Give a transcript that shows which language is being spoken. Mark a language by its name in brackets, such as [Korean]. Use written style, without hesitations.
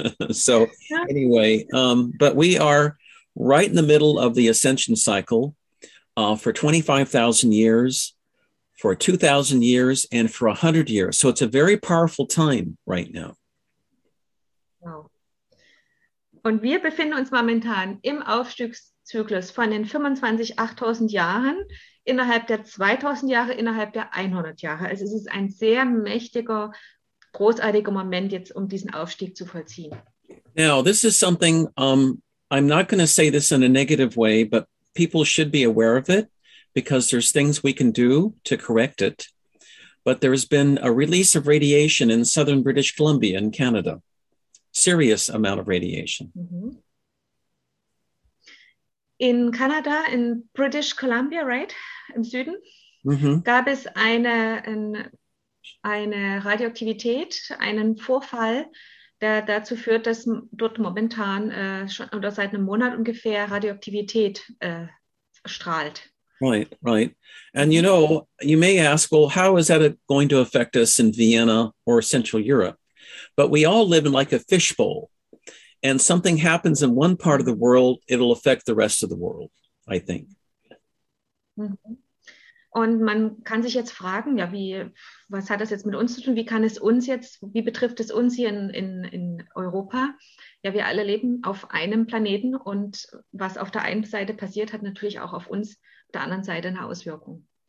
[English] So anyway, but we are right in the middle of the ascension cycle for 25,000 years, for 2,000 years, and for 100 years. So it's a very powerful time right now. Wow. [German] Und wir befinden uns momentan im Aufstiegszyklus von den 25,800 Jahren innerhalb der 2000 Jahre, innerhalb der 100 Jahre. Also es ist ein sehr mächtiger, großartiger Moment jetzt, um diesen Aufstieg zu vollziehen. [English] Now, this is something, I'm not going to say this in a negative way, but people should be aware of it, because there's things we can do to correct it. But there has been a release of radiation in southern British Columbia in Canada. Serious amount of radiation. Mm-hmm. In Canada, in British Columbia, right? [German] Im Süden? [English] Mm-hmm. [German] Gab es eine Radioaktivität, einen Vorfall, der dazu führt, dass dort momentan schon oder seit einem Monat ungefähr Radioaktivität strahlt. [English] Right. And you know, you may ask, well, how is that going to affect us in Vienna or Central Europe? But we all live in like a fishbowl. And something happens in one part of the world, it'll affect the rest of the world, I think. [German] Und man kann sich jetzt fragen, ja, was hat das jetzt mit uns zu tun? Wie kann es uns jetzt, wie betrifft es uns hier in Europa? Ja, wir alle leben auf einem Planeten und was auf der einen Seite passiert, hat natürlich auch auf uns der anderen Seite eine Auswirkung.